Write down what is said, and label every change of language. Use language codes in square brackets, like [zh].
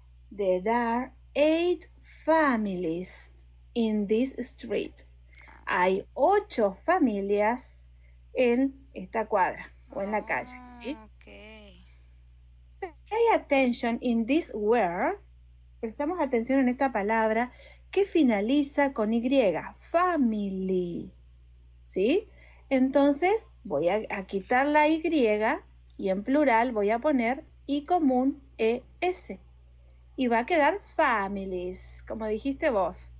[en] There are eight families in this street. [es] Hay 8 familias en esta cuadra o en la calle, ¿sí? [en] Okay. Pay attention in this word. [es] Prestamos atención en esta palabra que finaliza con Y, family, ¿sí? Entonces voy a quitar la Y y en plural voy a poner I común ES. Y va a quedar families, como dijiste vos.